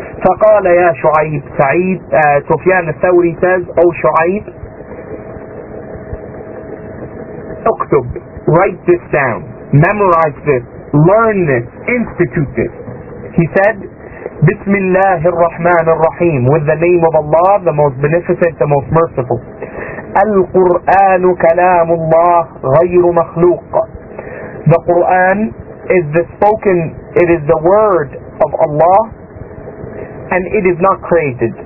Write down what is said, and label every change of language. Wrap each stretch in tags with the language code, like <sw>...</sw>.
<ar>فقال يا شعيب سعيد سفيان الثوري</ar> <en>says, O شعيب</en> <ar>اكتب,</ar> <en>write this down, memorize this, learn this, institute this. He said,</en> <ar>بسم الله الرحمن الرحيم,</ar> <en>with the name of Allah, the most beneficent, the most merciful.</en> <ar>القرآن كلام الله غير مخلوق.</ar> <en>The Quran is the spoken, it is the word of Allah, and it is not created.</en>